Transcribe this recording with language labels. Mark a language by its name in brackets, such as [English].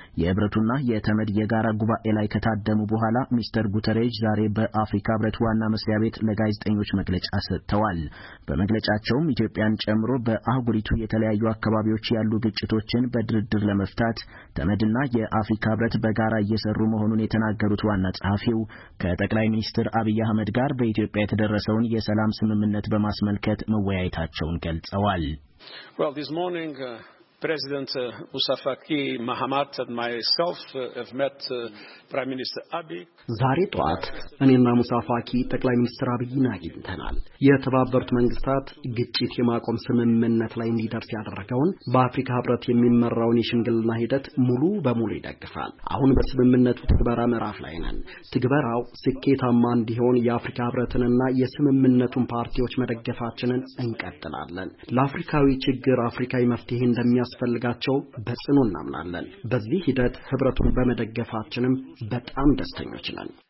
[Amharic] የህብረቱና የተመድ የጋራ ጉባኤ ላይ ከታደሙ በኋላ ሚስተር ጉተሬሽ ዛሬ በአፍሪካ ህብረት ዋና መስሪያ ቤት ለጋዜጠኞች መግለጫ ሰጥተዋል። በመግለጫቸውም ኢትዮጵያን ጨምሮ በአህጉሪቱ የተለያዩ አካባቢዎች ያሉ ግጭቶችን በድርድር ለመፍታት ተመድና የአፍሪካ ህብረት በጋራ እየሰሩ መሆኑን የተናገሩት ዋና ጸሐፊው ከጠቅላይ ሚኒስትር አብይ አህመድ ጋር በኢትዮጵያ የተደረሰውን የሰላም ስምምነት በማስመልከት መወያየታቸውን ገልጸዋል። [English] Well, this morning President Moussa Faki Mahamat and myself have met Prime Minister Abiy. [Amharic] ዛሬ ጧት እኔና ሙሳ ፋኪ ጠቅላይ ሚኒስትር አብይን አግኝተናል። የተባበሩት መንግስታት ግጭት የማቆም ስምምነት ላይ እንዲደርስ ያደረገውን በአፍሪካ ህብረት የሚመራውን የሽምግልና ሂደት ሙሉ በሙሉ ይደግፋል። አሁን በስምምነቱ ትግበራ ምዕራፍ ላይ ነን። ትግበራው ስኬታማ እንዲሆን የአፍሪካ ህብረትንና የስምምነቱን ፓርቲዎች መደገፋችንን እንቀጥላለን። ለአፍሪካዊ ችግር አፍሪካዊ መፍትሄ እንደ የሚያስፈልጋቸው በጽኑ እናምናለን። በዚህ ሂደት ህብረቱን በመደገፋችንም በጣም ደስተኞች ነን።